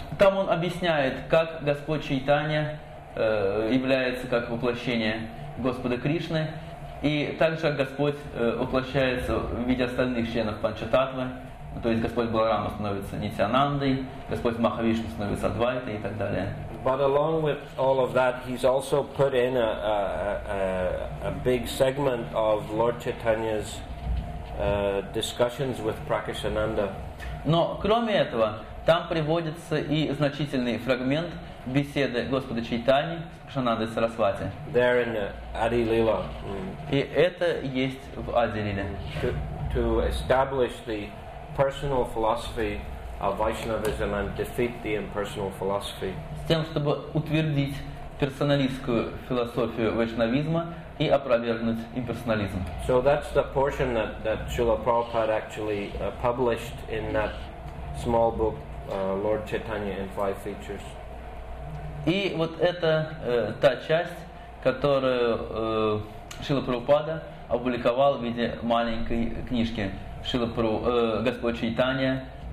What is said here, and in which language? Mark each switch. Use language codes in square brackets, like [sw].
[ru] Там он объясняет, как Господь Чайтанья является как воплощение Господа Кришны, и также как Господь воплощается в виде остальных членов Панчататвы, то есть Господь Баларама становится Нитянандой, Господь Махавишна становится Адвайтой и так далее. [en] But along with all of that, he's also put in a big segment of Lord Chaitanya's discussions with Prakashananda. [ru] Но кроме этого, там приводится и значительный фрагмент беседы Господа Чайтаньи с Пакшанандой Сарасвати. [en] There in the Adilila. Mm. [ru] И это есть в Адилиле. [en] To establish the personal philosophy of Vaishnavism and defeat the impersonal philosophy. [ru] С тем, чтобы утвердить персоналистскую философию вайшнавизма и опровергнуть имперсонализм. [en] So that's the portion that Srila Prabhupada actually published in that small book, Lord Chaitanya in Five Features. [ru] И вот это та часть, которую Шрила Прабхупада опубликовал в виде маленькой книжки Господь Чайтанья.